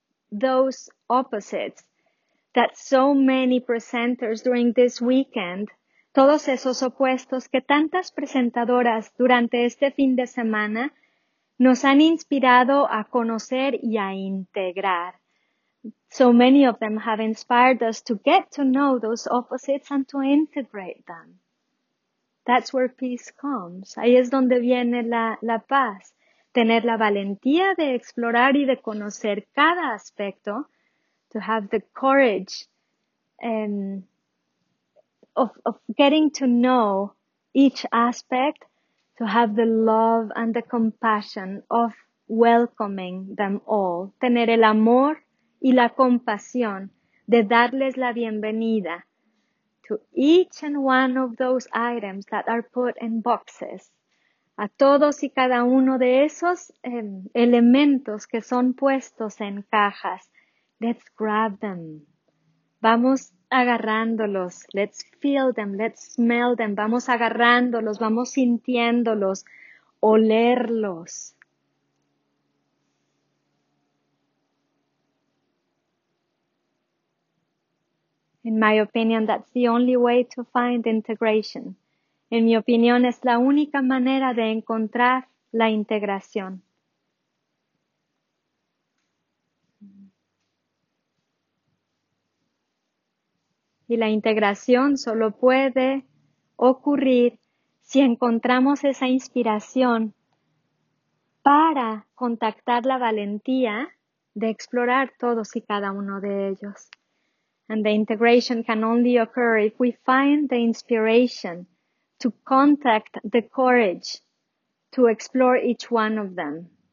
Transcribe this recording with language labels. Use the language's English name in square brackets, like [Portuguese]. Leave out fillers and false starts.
[English] those opposites that so many presenters during this weekend, [Spanish] todos esos opuestos que tantas presentadoras durante este fin de semana nos han inspirado a conocer y a integrar. [English] So many of them have inspired us to get to know those opposites and to integrate them. That's where peace comes. [Spanish] Ahí es donde viene la paz. Tener la valentía de explorar y de conocer cada aspecto. [English] To have the courage of getting to know each aspect. To have the love and the compassion of welcoming them all. [Spanish] Tener el amor y la compasión de darles la bienvenida [English] to each and one of those items that are put in boxes. [Spanish] A todos y cada uno de esos elementos que son puestos en cajas. [English] Let's grab them. [Spanish] Vamos agarrándolos. [English] Let's feel them. Let's smell them. [Spanish] Vamos agarrándolos. Vamos sintiéndolos. Olerlos. [English] In my opinion, that's the only way to find integration. [Spanish] En mi opinión, es la única manera de encontrar la integración. Y la integración solo puede ocurrir si encontramos esa inspiración para contactar la valentía de explorar todos y cada uno de ellos. [English] And the integration can only occur if we find the inspiration to contact the courage to explore each one of them.